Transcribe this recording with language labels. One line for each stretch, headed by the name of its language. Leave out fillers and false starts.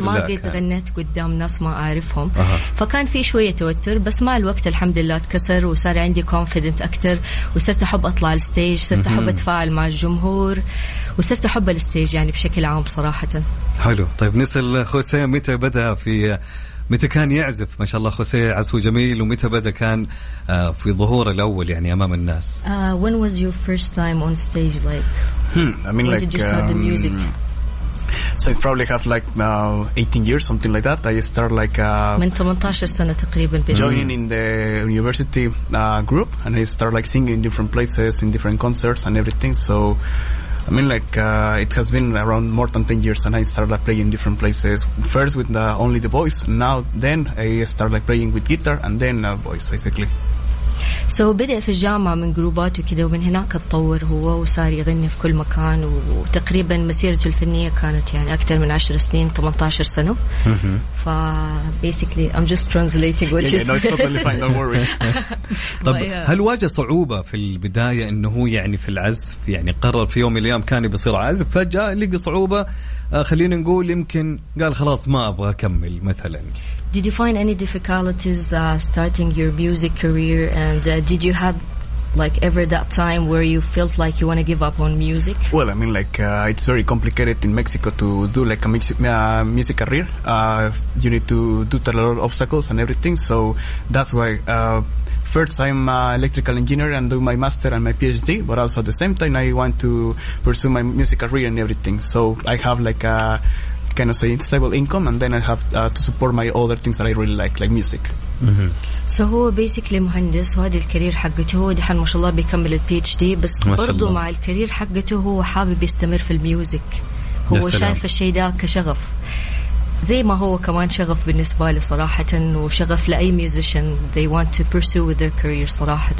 Arabic: بس ما قد غنيت قدام ناس ما أعرفهم. فكان في شوية توتر بس مع الوقت الحمد لله تكسر وصار عندي كونفيدنت أكتر وصرت أحب أطلع الستيج صرت أحب أتفاعل مع الجمهور وصرت أحب الستيج يعني بشكل عام صراحة. حلو. طيب نسأل خوسيه متى بدأ في متى كان يعزف؟ ما شاء الله خوسيه عزفه جميل. ومتى بدأ كان في ظهور الأول يعني أمام الناس؟
English: When was your first time on stage like? So it's probably have like 18 years something like that. I start like
Arabic: من 18 سنة تقريبا
English: joining in the university group and I start like singing in different places in different concerts and everything. So I mean, like it has been around more than 10 years, and I started like, playing different places. First with only the voice. Now, then I started like playing with guitar, and then voice, basically.
Arabic: So, بدأ في الجامعة من جروبات وكده ومن هناك تطور هو وصار يغني في كل مكان وتقريبا مسيرته الفنية كانت يعني أكثر من 10 سنين 18 سنة.
English: ف basically I'm just translating what you said. Totally fine. Don't worry.
Arabic: طب هل واجه صعوبة في البداية إنه هو يعني في العزف يعني قرر في يوم من الأيام كان بيصير عازف فجأة لقى صعوبة خلينا نقول يمكن قال خلاص ما أبغى أكمل مثلا.
English: Did you find any difficulties starting your music career? And did you have like ever that time where you felt like you want to give up on music? Well, I mean, like it's very complicated in Mexico to do like a music career. You need to do a lot of obstacles and everything. So that's why first I'm an electrical engineer and do my master and my PhD. But also at the same time, I want to pursue my music career and everything. So I have like a kind of say stable income and then I have to support my other things that I really like music.
Arabic: So هو basically مهندس وهذه الكارير حقته هو دحين ما شاء الله بيكمل PhD بس برضو مع الكارير حقته هو حابب يستمر في الميوزك هو شايف الشيء ده كشغف زي ما هو كمان شغف بالنسبة لي صراحة وشغف لأي
English: musician they want to pursue with their career
Arabic: صراحة.